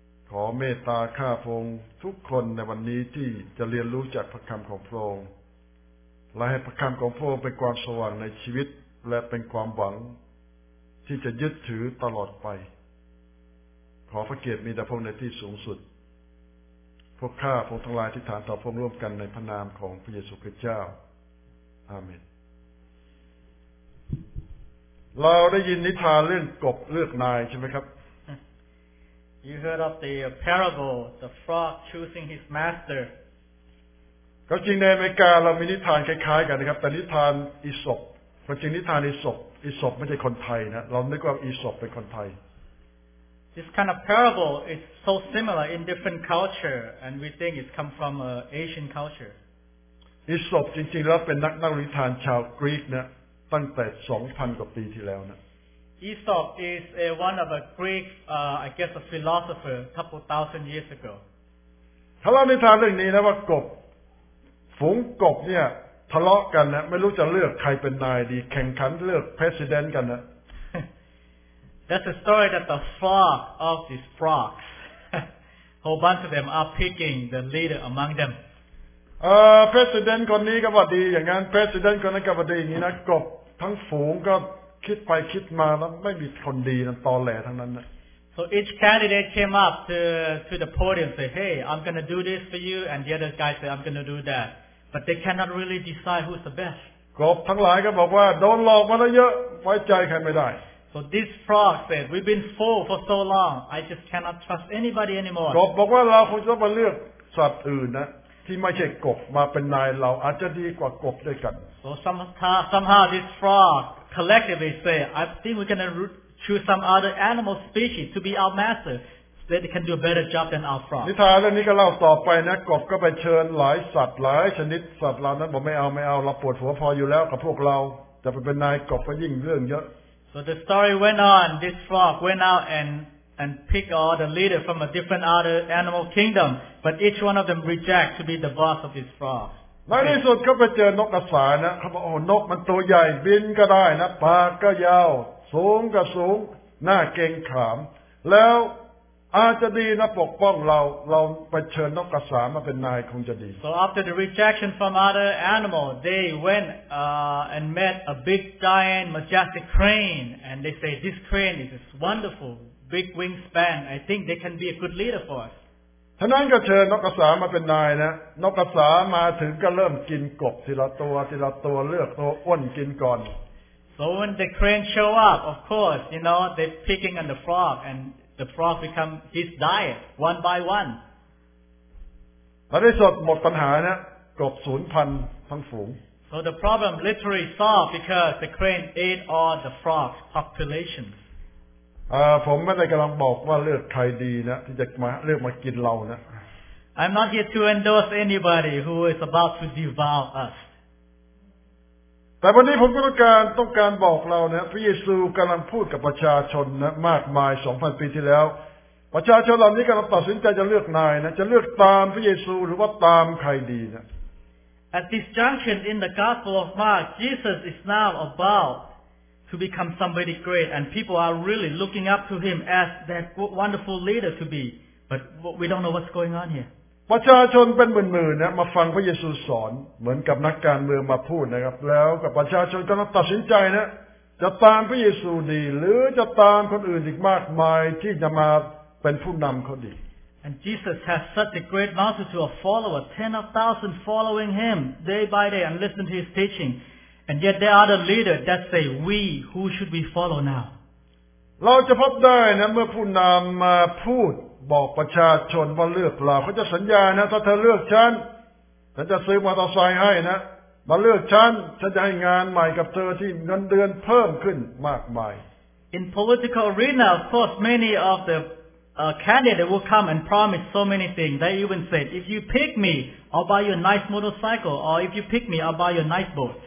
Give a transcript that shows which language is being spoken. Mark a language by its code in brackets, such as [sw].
[th] ขอเมตตาข้าพระองค์ทุกคนในวันนี้ที่จะเรียนรู้จากพระคำของพระองค์และให้พระคำของพระองค์เป็นความสว่างในชีวิตและเป็นความหวังที่จะยึดถือตลอดไปขอพระเกียรติมีแด่พระองค์ในที่สูงสุดพวกข้าพระองค์ทั้งหลายอธิษฐานต่อพระองค์ร่วมกันในพระนามของพระเยซูคริสต์เจ้าอาเมนเราได้ยินนิทานเรื่องกบเลือกนายใช่ไหมครับ [en] You heard of the parable the frog choosing his master [th] ก็จริงในอเมริกาเรามีนิทานคล้ายๆกันนะครับแต่นิทานอีสปก็จริงนิทานอีสปไม่ใช่คนไทยนะเรานึกว่าอีสปเป็นคนไทย [en] This kind of parable is so similar in different culture, and we think it comes from Asian culture. [th] Aesop, จริงๆแล้วเป็นนักนิทานชาวกรีกนะตั้งแต่ 2,000 กว่าปีที่แล้วนะ [en] Aesop is one of a Greek, I guess, a philosopher, couple thousand years ago. [th] ถ้าเล่านิทานเรื่องนี้นะว่ากบฝูงกบเนี่ยทะเลาะกันนะไม่รู้จะเลือกใครเป็นนายดีแข่งขันเลือก president กันนะ [en] That's the story that the flock of these frogs, whole bunch of them, are picking the leader among them. [th] President คนนี้ก็ว่าดีอย่างนั้น President คนนั้นก็ว่าดีอย่างนี้นะกบทั้งฝูงก็คิดไปคิดมาแล้วไม่มีคนดีนั่นตอแหลทั้งนั้นนะ [en] So each candidate came up to the podium say, Hey, I'm gonna do this for you, and the other guy say, I'm gonna do that. But they cannot really decide who's the best. [th] กบทั้งหลายก็บอกว่าโดนหลอกมาแล้วเยอะไว้ใจใครไม่ได้ [en] So So this frog said, we've been fooled for so long, I just cannot trust anybody anymore. [th] กบบอกว่าเราคงจะมาเลือกสัตว์อื่นนะที่ไม่ใช่กบมาเป็นนายเราอาจจะดีกว่ากบด้วยกัน [en] So somehow this frog collectively say, I think we're going to choose some other animal species to be our master, so that they can do a better job than our frog. [th] นิทานเรื่องนี้ก็เล่าต่อไปนะกบก็ไปเชิญหลายสัตว์หลายชนิดสัตว์เหล่านั้นบอกไม่เอาเราปวดหัวพออยู่แล้วกับพวกเราจะไปเป็นนายกบก็ยิ่งเรื่องเยอะ [en] So the story went on. This frog went out and picked all the leaders from a different other animal kingdom, but each one of them reject to be the boss of this frog. [th] ในที่สุดก็ไปเจอนกกระสานะเขาบอกโอ้นกมันตัวใหญ่บินก็ได้นะปากก็ยาวสูงก็สูงหน้าเก่งขามแล้วอาจจะดีนะปกป้องเราไปเชิญนกกระสามาเป็นนายคงจะดี [en] So after the rejection from other animal they went and met a big giant majestic crane and they say this crane is this wonderful big wingspan I think they can be a good leader for us [th] ท่านั้นก็เชิญนกกระสามาเป็นนายนะนกกระสามาถึงก็เริ่มกินกบทีละตัวเลือกตัวอ้วนกินก่อน [en] So when the crane show up of course you know they picking on the frog andThe frog become his diet one by one. [th] แล้วได้สดหมดปัญหานะกบสูญพันธุ์ทั้งฝูง [en] So the problem literally solved because the crane ate all the frog's population. [th] ผมไม่ได้กำลังบอกว่าเลือกใครดีนะที่จะมาเลือกมากินเรานะ [en] I'm not here to endorse anybody who is about to devour us. [th] แต่วันนี้ผมต้องการบอกเราเนี่ยพระเยซูกำลังพูดกับประชาชนนะมากมาย 2,000 ปีที่แล้วประชาชนเหล่านี้กำลังตัดสินใจจะเลือกนายนะจะเลือกตามพระเยซูหรือว่าตามใครดีนะ [en] At this junction in the Gospel of Mark, Jesus is now about to become somebody great, and people are really looking up to him as that wonderful leader to be. But we don't know what's going on here. [th] ประชาชนเป็นหมื่นๆนะมาฟังพระเยซูสอนเหมือนกับนักการเมืองมาพูดนะครับแล้วกับประชาชนก็ต้องตัดสินใจนะจะตามพระเยซูดีหรือจะตามคนอื่นอีกมากมายที่จะมาเป็นผู้นำเขาดี [en] And Jesus has such a great multitude of followers, 10,000 following him day by day and listen to his teaching. And yet there are the leaders that say, we, who should we follow now? [th] เราจะพบได้นะเมื่อผู้นำมาพูดบอกประชาชนว่าเลือกเราเขาจะสัญญานะถ้าเธอเลือกฉันฉันจะซื้อมอเตอร์ไซค์ให้นะมาเลือกฉันฉันจะให้งานใหม่กับเธอที่เงินเดือนเพิ่มขึ้นมากมาย [en] In political arena of course many of the candidate will come and promise so many things they even said if you pick me I'll buy you a nice motorcycle or if you pick me I'll buy you a nice boat